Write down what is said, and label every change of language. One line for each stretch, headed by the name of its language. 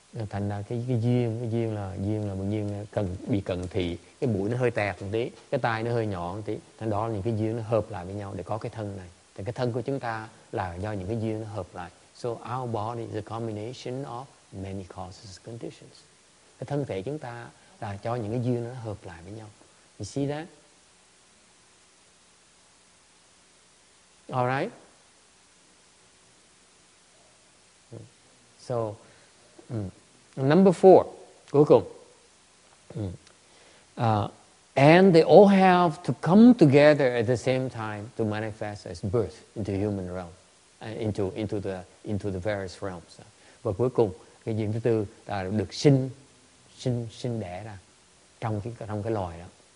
Vietnamese: Thành ra cái duyên là bình nhiên cần bị cận thị, cái mũi nó hơi tẹt một tí, cái tai nó hơi nhỏ một tí, thành đó là những cái duyên nó hợp lại với nhau để có cái thân này. Thì cái thân của chúng ta là do những cái duyên nó hợp lại.
English: So our body is a combination of many causes conditions.
Vietnamese: Cái thân thể chúng ta là cho những cái duyên nó hợp lại với nhau.
English: You see that? All right. So, number four,
Vietnamese: cuối cùng.
English: And they all have to come together at the same time to manifest as birth into human realm, into the various realms.
Vietnamese: Và cuối cùng, cái duyên thứ tư là được sinh đẻ ra trong cái loài đó.